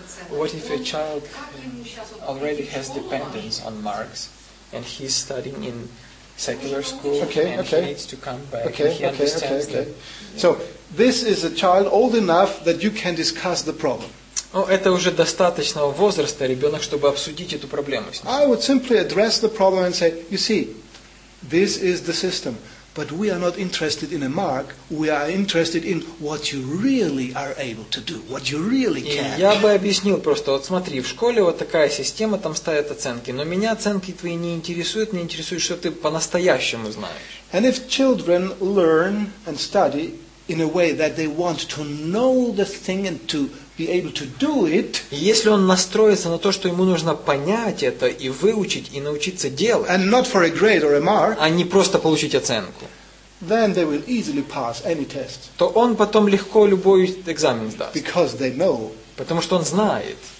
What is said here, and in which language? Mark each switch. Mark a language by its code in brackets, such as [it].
[en] What if a child already has dependence on marks and he's studying in secular school and he needs to come back and he understands that. So, this is a child old enough that you can discuss the problem. [ru] Это уже достаточного возраста ребенок, чтобы обсудить эту проблему с ним. [en] I would simply address the problem and say, you see, this is the system. But we are not interested in a mark, we are interested in what you really are able to do, what you really can. [ru] Я бы объяснил просто, вот смотри, в школе вот такая система, там ставят оценки, но меня оценки твои не интересуют, мне интересует, что ты по-настоящему знаешь. [en] And if children learn and study in a way that they want to know the thing and to be able to do it. [ru] Если он настроится на то, что ему нужно понять это и выучить и научиться делать. [en] And not for a grade or a mark. [ru] А не просто получить оценку. [en] Then they will easily pass any test. [ru] То он потом легко любой экзамен сдаст. [en] Because they know. [ru] Потому что он знает.